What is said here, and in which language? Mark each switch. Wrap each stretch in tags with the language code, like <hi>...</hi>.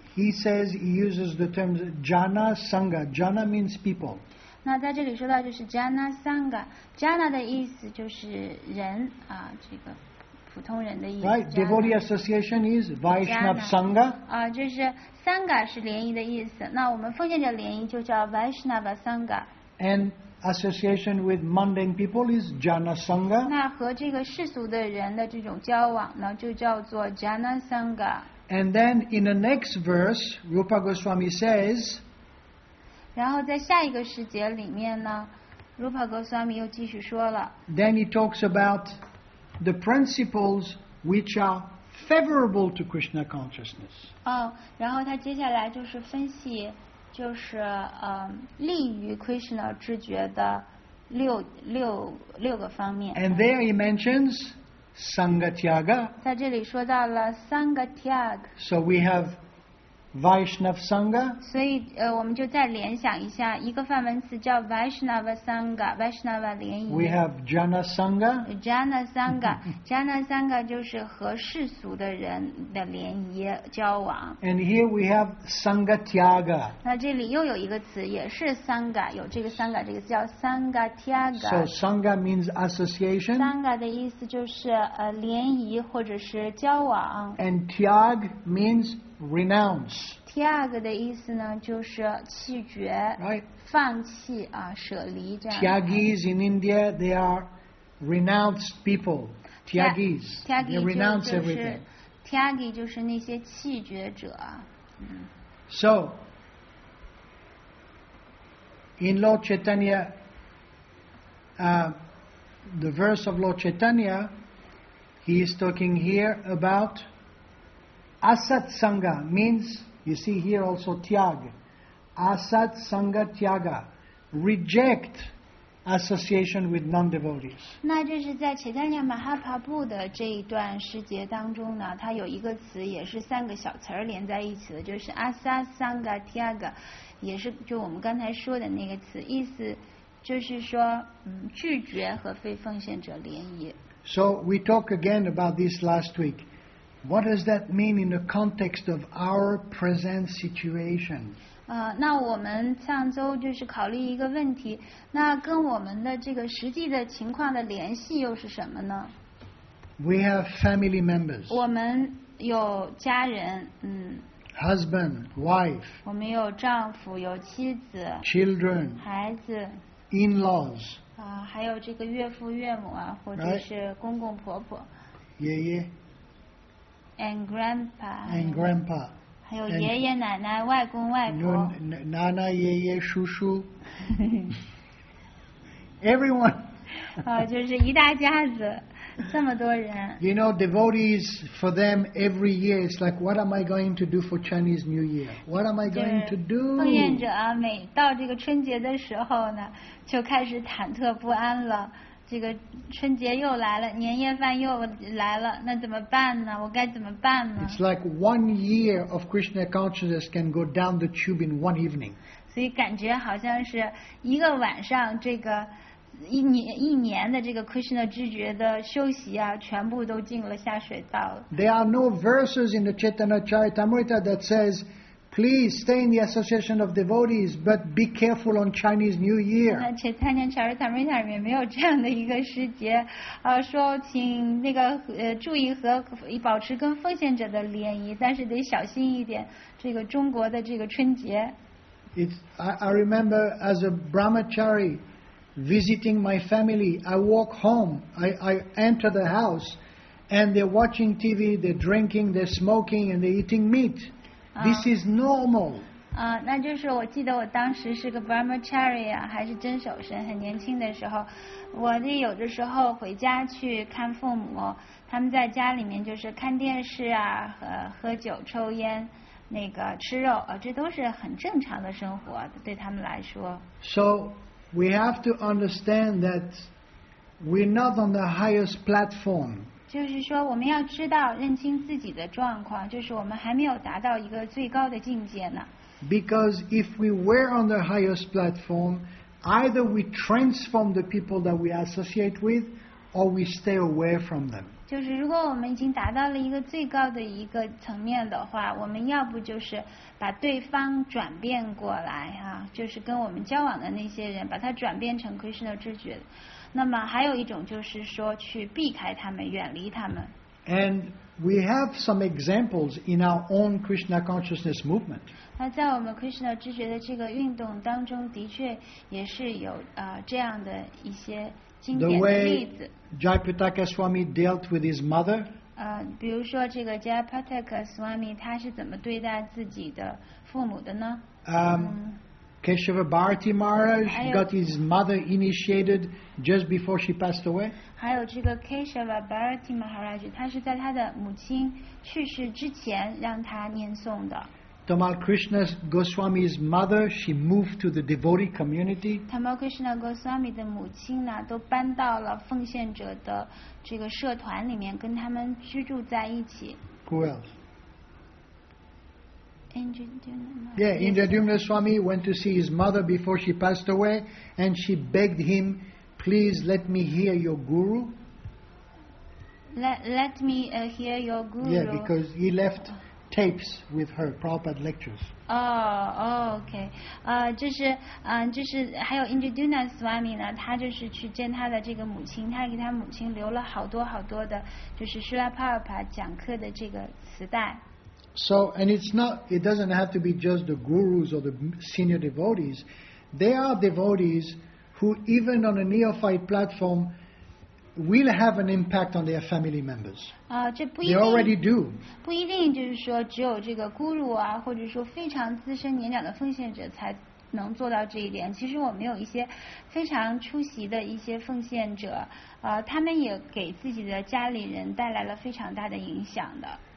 <en>So, he says he uses the terms jana sangha. Jana means people.</en> <zh>那在这里说到就是 jana sangha. Jana 的意思就是人这个。普通人的意思</zh> <en>right, devotee association is Vaishnav Sangha.</en> <zh>就是 Sangha 是联谊的意思。那我们奉献者联谊就叫 Vaishnav Sangha.</zh> <en>And association with mundane people is Jana Sangha.</en> <zh>那和这个世俗的人的这种交往呢，就叫做 Jana Sangha.</zh> <en>And then in the next verse, Rupa Goswami says.</en> <zh>然后在下一个诗节里面呢 ，Rupa Goswami 又继续说了。</zh> <en>Then he talks about. The principles which are favorable to Krishna consciousness.</en> <zh>然后他接下来就是分析，就是利于 Krishna 知觉的六个方面。</zh> <en>And there he mentions Sangha Tyaga.</en> <zh>在这里说到了 Sangha Tyaga.</zh> <en>So we have Vaishnava Sangha.</en> <zh>所以我们就再联想一下，一个梵文词叫 Vaishnava Sangha, Vaishnava 联谊。</zh> <en>We have Jana Sangha.</en> <zh>Jana Sangha, Jana Sangha 就是和世俗的人的联谊交往。</zh> <en>And here we have Sangha Tyaga.</en> <zh>那这里又有一个词，也是 Sangha, 有这个 Sangha, 这个叫 Sangha Tyaga.</zh> <en>So Sangha means association.</en> <zh>Sangha 的意思就是联谊或者是交往。</zh> <en>And Tyag means renounce.</en> <zh>Tyag 的意思呢，就是弃绝、放弃舍离这样。</zh> <en>Tyagis in India, they are renounced people. Tyagis, they renounce everything.</en> <zh>Tyagi 就是那些弃绝者。</zh> <en>So, in Lord Chaitanya, the verse of Lord Chaitanya, he is talking here about. Asat Sangha means, you see here also Tyag. Asat Sangha Tyaga. Reject association with non-devotees.</en> <zh>那就是在齐达尼亚马哈帕布的这一段诗节当中呢，它有一个词也是三个小词连在一起的，就是 Asat Sangha Tyaga， 也是就我们刚才说的那个词，意思就是说拒绝和非奉献者联谊。</zh> <en>So we talk again about this last week. What does that mean in the context of our present situation?</en> <zh>那我们上周就是考虑一个问题，那跟我们的这个实际的情况的联系又是什么呢？</zh> <en>We have family members.</en> <zh>我们有家人，</zh> <en>Husband, wife.</en> <zh>我们有丈夫，有妻子。</zh> <en>Children.</en> <zh>孩子。</zh> <en>In-laws.</en> <zh>还有这个岳父岳母啊，或者是公公婆婆。爷爷。</zh> <en>And grandpa.</en> <zh>还有爷爷奶奶、外公外婆。奶奶、爷爷、叔叔。</zh> <en>Everyone.</en> <zh>就是一大家子，这么多人。</zh> <en>You know, devotees, for them, every year, it's like, what am I going to do for Chinese New Year? What am I going to do?</en> <zh>奉献者啊，每到这个春节的时候呢，就开始忐忑不安了。这个春节又来了，年夜饭又来了，那怎么办呢？我该怎么办呢</zh> <en>？It's like 1 year of Krishna consciousness can go down the tube in one evening.</en> <zh>所以感觉好像是一个晚上，这个一年的这个 Krishna 知觉的休息啊，全部都进了下水道了。</zh> <en>There are no verses in the Chaitanya Charitamrita that says Please stay in the association of devotees, but be careful on Chinese New Year.</en> <zh>且参加 Charitamrita 里面没有这样的一个时节，说请那个注意和保持跟奉献者的联谊，但是得小心一点。这个中国的这个春节。</zh> <en>I remember as a Brahmachari visiting my family. I walk home. I enter the house, and they're watching TV. They're drinking. They're smoking, and they're eating meat. This is normal.</en> <zh>那就是我记得我当时是个 Brahmachari 啊，还是真守神，很年轻的时候，我那有的时候回家去看父母，他们在家里面就是看电视啊，喝酒、抽烟。那个吃肉，这都是很正常的生活，对他们来说。</zh> <en>So we have to understand that we're not on the highest platform.</en> <zh>就是说，我们要知道认清自己的状况，就是我们还没有达到一个最高的境界呢。</zh> <en>Because if we were on the highest platform, either we transform the people that we associate with, or we stay away from them.</en> <zh>就是如果我们已经达到了一个最高的一个层面的话，我们要不就是把对方转变过来啊，就是跟我们交往的那些人，把他转变成 Krishna 知觉。那么还有一种就是说去避开他们，远离他们。</zh> <en>And we have some examples in our own Krishna consciousness movement.</en> <zh>那在我们 Krishna 知觉的这个运动当中，的确也是有这样的一些。</zh> <en>The way Jayaprataka Swami dealt with his mother.</en> <zh>比如说这个 Jayaprataka Swami 他是怎么对待自己的父母的呢？</zh> <en>Keshava Bharati Maharaj got his mother initiated just before she passed away.</en> <zh>还有这个 Keshava Bharati Maharaj 他是在他的母亲去世之前让他念诵的。</zh> <en>Tamal Krishna Goswami's mother, she moved to the devotee community.</en> <zh>Tamal Krishna Goswami 的母亲呢，都搬到了奉献者的这个社团里面，跟他们居住在一起。</zh> <en>Who else? Indra Dumna Swami went to see his mother before she passed away, and she begged him, "Please let me hear your guru." Let me hear your guru. Yeah, because he left. Tapes with her Prabhupada lectures. Okay.</en> <zh>这是这是还有 Indraduna Swami 呢，他就是去见他的这个母亲，他给他母亲留了好多好多的，就是 Srila Prabhupada 讲课的这个磁带。</zh> <en>So and it doesn't have to be just the gurus or the senior devotees. There are devotees who even on a neophyte platform. Will have an impact on their family members. They already do.</en> <zh>不一定就是说只有这个 guru 啊，或者说非常资深年长的奉献者才能做到这一点。其实我们有一些非常出席的一些奉献者，他们也给自己的家里人带来了非常大的影响的。</zh>